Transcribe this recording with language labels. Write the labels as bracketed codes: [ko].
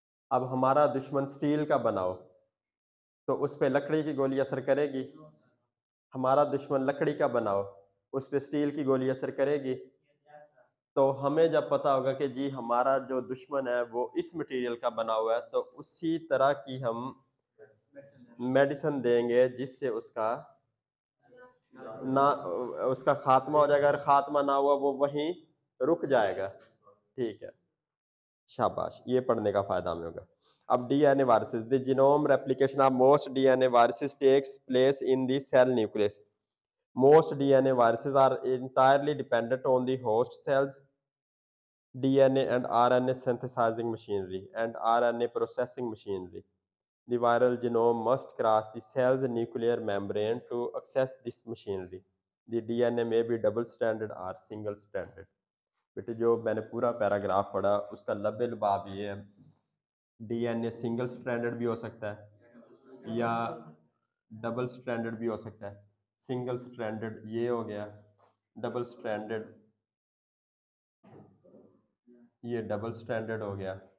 [ur] اب ہمارا دشمن سٹیل کا بنا ہو تو اس پہ لکڑی کی گولی اثر کرے گی؟ ہمارا دشمن لکڑی کا بنا ہو اس پہ سٹیل کی گولی اثر کرے گی؟ تو ہمیں جب پتہ ہوگا کہ جی ہمارا جو دشمن ہے وہ اس مٹیریل کا بنا ہوا ہے, تو اسی طرح کی ہم میڈیسن دیں گے جس سے اس کا نہ اس کا خاتمہ ہو جائے گا. اگر خاتمہ نہ ہوا وہ وہیں رک جائے گا. ٹھیک ہے, شاباش. یہ پڑھنے کا فائدہ ہمیں ہوگا. [en] اب D N A viruses, the genome replication of most D N A viruses takes place in the cell nucleus. Most D N A viruses are entirely dependent on the host cells D N A and R N A synthesising machinery and R N A processing machinery. The viral genome must cross the cell's nuclear membrane to access this machinery. The DNA may be double-stranded or single-stranded. [ur] بیٹے جو میں نے پورا paragraph پڑھا اس کا لب لباب یہ ہے, D N a single standard بھی ہو سکتا ہے یا ڈبل اسٹینڈرڈ بھی ہو سکتا ہے. سنگل اسٹینڈرڈ یہ ہو گیا, ڈبل اسٹینڈرڈ یہ ڈبل اسٹینڈرڈ ہو گیا.